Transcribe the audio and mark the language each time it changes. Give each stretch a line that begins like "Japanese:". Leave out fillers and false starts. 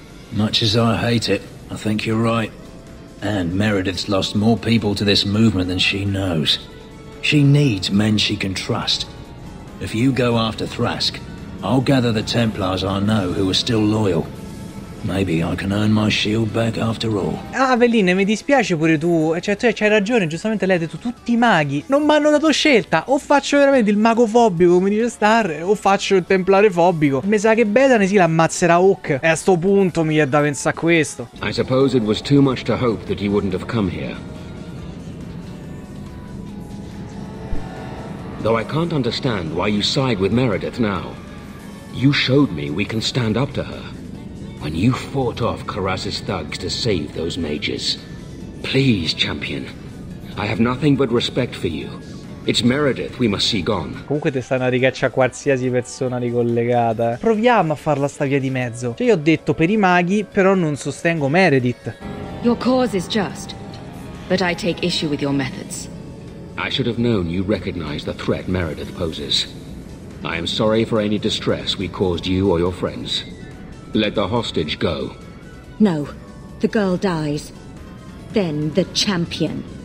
English: Much as I hate it, I think you're right. And Meredith's lost more people to this movement than she knows. She needs men she can trust. If you go after Thrask, I'll gather the Templars I know who are still loyal. Maybe I can earn my shield back after all.
Italian: Ah, Aveline, mi dispiace pure tu. Cioè, c'hai ragione, giustamente lei ha detto tutti i maghi. Non mi hanno dato scelta. O faccio veramente il mago fobico, come dice Star, o faccio il templare fobico. Mi sa che Bedane sì, l'ammazzerà Hook. E a sto punto mi è da pensare questo.
English: I suppose it was too much to hope that you wouldn't have come here. Though I can't understand why you side with Meredith now. You showed me we can stand up to her. When you fought off Karas's thugs to save those mages. Please, champion. I have nothing but respect for you. It's Meredith we must see gone.
Italian: Comunque te stanno a ricaccia qualsiasi persona ricollegata. Proviamo a farla sta via di mezzo. Cioè, io ho detto per i maghi, però non sostengo Meredith.
English: Your cause is just, but I take issue with your methods. I should have known you recognize the threat Meredith poses. I am sorry for any distress we caused you or your friends. Let the hostage go. No, the girl dies. Then the champion.